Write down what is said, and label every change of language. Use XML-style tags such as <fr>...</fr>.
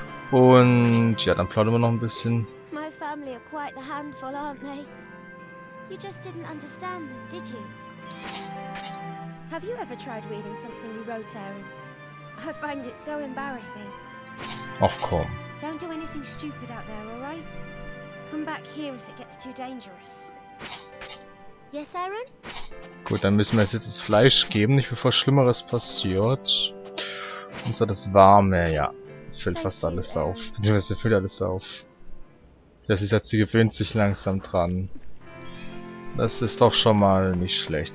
<de>Und ja, dann plaudern wir noch ein bisschen.</de> <en>My family are quite the handful, aren't they? You just didn't understand them, did you? Have you ever tried reading something you wrote, Aaron? I find it so embarrassing.</en> <de>Ach komm.</de> <en>Don't do anything stupid out there, all right? Come back here if it gets too dangerous. Yes, Aaron?</en> <de>Gut, dann müssen wir jetzt das Fleisch geben, nicht bevor Schlimmeres passiert. Und zwar das Warme, ja. Füllt fast alles auf. Beziehungsweise füllt alles auf. Das ist jetzt, sie gewöhnt sich langsam dran. Das ist doch schon mal nicht schlecht.</de>